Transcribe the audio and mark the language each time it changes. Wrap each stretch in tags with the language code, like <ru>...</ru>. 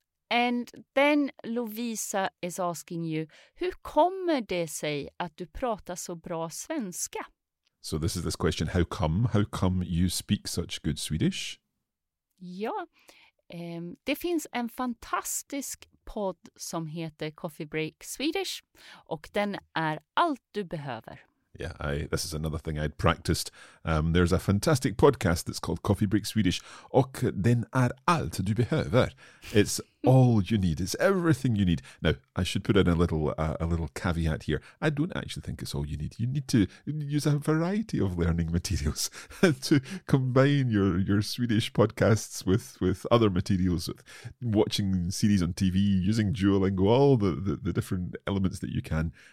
<en>And then Lovisa is asking you,</en> <sv>hur kommer det sig att du pratar så bra svenska?</sv> <en>So this is this question, how come you speak such good Swedish?</en> <sv>Ja, det finns en fantastisk podd som heter Coffee Break Swedish och den är allt du behöver.</sv> <en>Yeah, this is another thing I'd practiced. There's a fantastic podcast that's called Coffee Break Swedish.</en> <sv>Och den är allt du behöver.</sv> <en>It's all you need. It's everything you need. Now, I should put in a little caveat here. I don't actually think it's all you need. You need to use a variety of learning materials to combine your Swedish podcasts with other materials, with watching series on TV, using Duolingo, all the different elements that you can.</en>